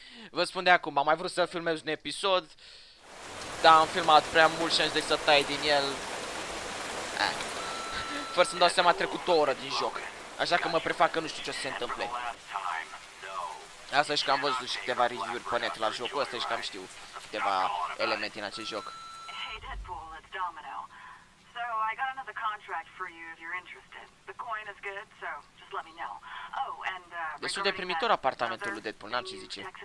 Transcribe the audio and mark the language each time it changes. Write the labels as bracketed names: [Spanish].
[Romanian] Vă spun de acum, am mai vrut să filmez un episod, dar am filmat prea mult și am zis să tai din el. Fără să-mi dau seama, a trecut o oră din joc. Așa că mă prefac că nu știu ce o să se întâmple. Asta și că am văzut și câteva review-uri pe net la jocul ăsta și că am știu câteva elemente în acest joc. [English] Hey Deadpool, it's Domino. So, I got another contract for you if you're interested. The coin is good, so just let me know. Oh, and [Romanian] destul de primitor apartamentul lui Deadpool, n-am ce zice.